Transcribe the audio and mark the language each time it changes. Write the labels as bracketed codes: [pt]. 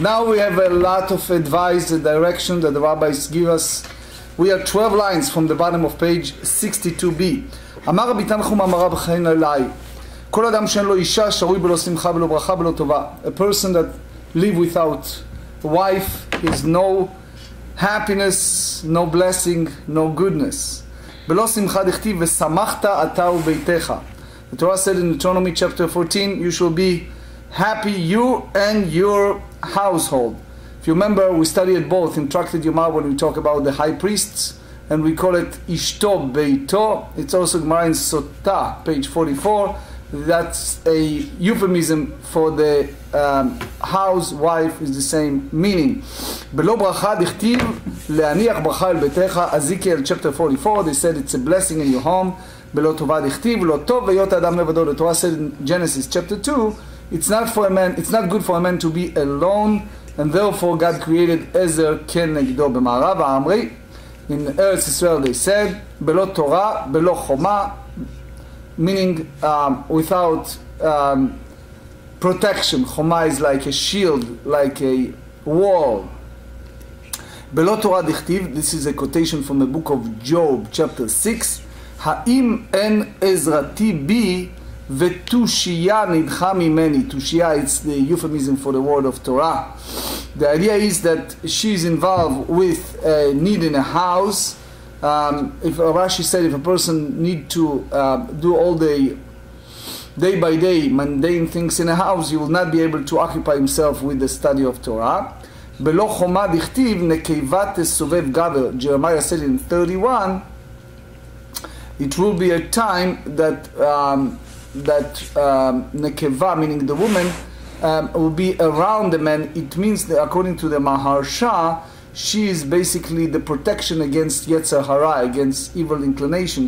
[en] Now we have a lot of advice and direction that the rabbis give us. We are 12 lines from the bottom of page 62b. [he] אמר רבי תנחום אמר רב חנינא לאי, כל אדם שאין לו אישה שרוי בלא שמחה ולא ברכה ולא טובה. [en] A person that live without a wife is no happiness, no blessing, no goodness. [he] בלא שמחה דכתיב ושמחת אתה וביתך. [en] The Torah said in Deuteronomy chapter 14, you shall be happy, you and your household. If you remember, we studied both in Tractate Yomah when we talk about the high priests, and we call it Ishto Beito. It's also Gemara in Sota, page 44. That's a euphemism for the house, wife, is the same meaning. [he] Belo bracha dichtiv leaniach bracha el betecha. [en] Ezekiel chapter 44, they said it's a blessing in your home. [he] Belo tova dichtiv lo tov veyot adam levado. [en] The Torah said in Genesis chapter 2, it's not good for a man to be alone, and therefore God created Ezer ken negdo. [he] B'ma'arav ha'amri, [en] in Eretz Israel they said, [he] belo Torah, belo choma, [en] meaning without protection. Choma is like a shield, like a wall. [he] Belo Torah dichtiv, [en] this is a quotation from the book of Job, chapter 6. [he] Ha'im en ezrati bi ותושיה נדחה ממני. [en] תושיה, it's the euphemism for the word of Torah. The idea is that she's involved with a need in a house. If Rashi said, if a person need to do all the day by day mundane things in a house, he will not be able to occupy himself with the study of Torah. [he] בלא חומה דכתיב נקבה תסובב גבר. [en] Jeremiah said in 31, it will be a time that nekeva, meaning the woman, will be around the man. It means that according to the Maharsha, she is basically the protection against Yetzer Hara, against evil inclination.